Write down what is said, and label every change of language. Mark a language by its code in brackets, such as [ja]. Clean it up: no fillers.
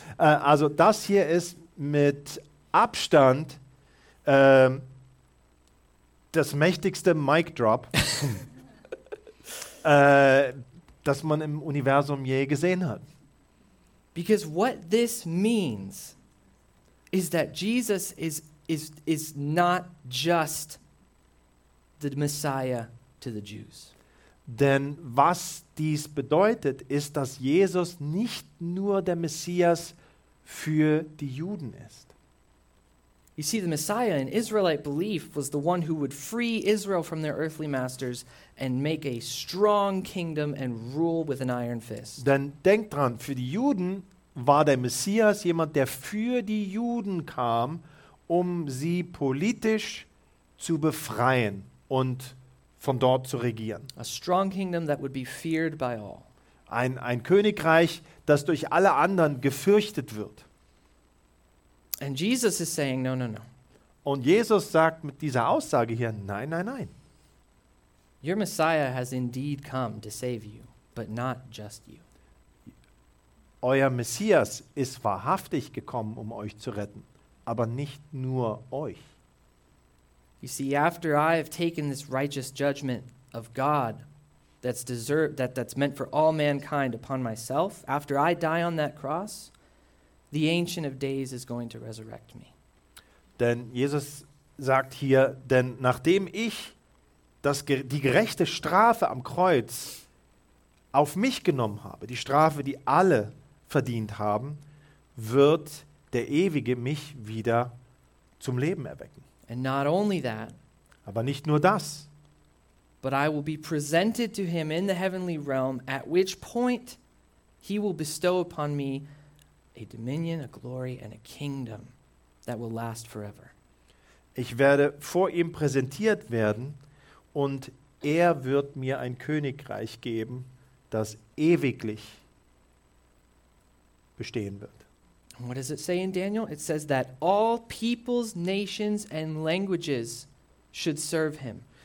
[de] Also das hier ist mit Abstand das mächtigste Mic Drop, das man im Universum je gesehen hat. [en] Because what this means is that Jesus is not just the Messiah to the Jews. [de] Denn was dies bedeutet, ist, dass Jesus nicht nur der Messias für die Juden ist. [en] You see, the Messiah in Israelite belief was the one who would free Israel from their earthly masters and make a strong kingdom and rule with an iron fist. [de] Denn denkt dran, für die Juden war der Messias jemand, der für die Juden kam, um sie politisch zu befreien und von dort zu regieren. [en] A strong kingdom that would be feared by all. [de] Ein Königreich, das durch alle anderen gefürchtet wird. [en] And Jesus is saying, no, no, no. [de] Und Jesus sagt mit dieser Aussage hier, nein, nein, nein. [en] Your Messiah has indeed come to save you, but not just you. [de] Euer Messias ist wahrhaftig gekommen, um euch zu retten, aber nicht nur euch. [en] You see, after I have taken this righteous judgment of God that's meant for all mankind upon myself, after I die on that cross, the Ancient of Days is going to resurrect me. [de] Denn Jesus sagt hier, denn nachdem ich die gerechte Strafe am Kreuz auf mich genommen habe, die Strafe, die alle verdient haben, wird der Ewige mich wieder zum Leben erwecken. [en] And not only that, [de] aber nicht nur das. [en] But I will be presented to him in the heavenly realm, at which point he will bestow upon me a dominion, a glory, and a kingdom that will last forever. [de] Ich werde vor ihm präsentiert werden und er wird mir ein Königreich geben, das ewiglich bestehen wird. [en] What does it say in Daniel? It says that all peoples, nations and languages should serve him.